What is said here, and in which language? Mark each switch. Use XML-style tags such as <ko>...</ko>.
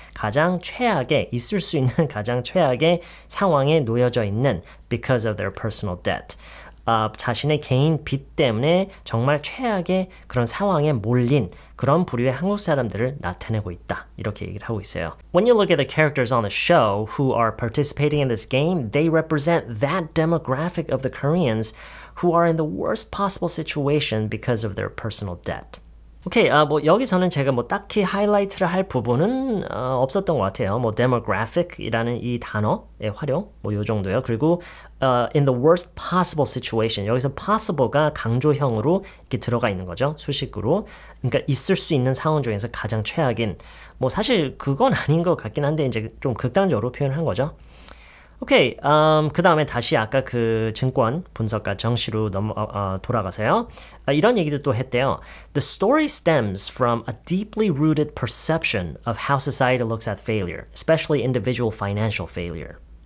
<ko>가장 최악의, 있을 수 있는 가장 최악의 상황에 놓여져 있는</ko> <en>because of their personal debt.</en> <ko>자신의 개인 빚 때문에 정말 최악의 그런 상황에 몰린 그런 부류의 한국 사람들을 나타내고 있다. 이렇게 얘기를 하고 있어요.</ko> <en>When you look at the characters on the show who are participating in this game, they represent that demographic of the Koreans who are in the worst possible situation because of their personal debt.</en> <ko>오케이, okay, 뭐 여기서는 제가 뭐 딱히 하이라이트를 할 부분은 없었던 것 같아요. 뭐 demographic이라는 이 단어의 활용, 뭐 요 정도요. 그리고</ko> <en>in the worst possible situation,</en> <ko>여기서 possible가 강조형으로 이렇게 들어가 있는 거죠, 수식으로. 그러니까 있을 수 있는 상황 중에서 가장 최악인, 뭐 사실 그건 아닌 것 같긴 한데 이제 좀 극단적으로 표현한 거죠. 오케이, okay, 그 다음에 다시 아까 그 증권 분석가 정시로 돌아가세요. 이런 얘기도 또 했대요.</ko> <en>The story stems from a deeply rooted perception of how society looks at failure, especially individual financial failure.</en>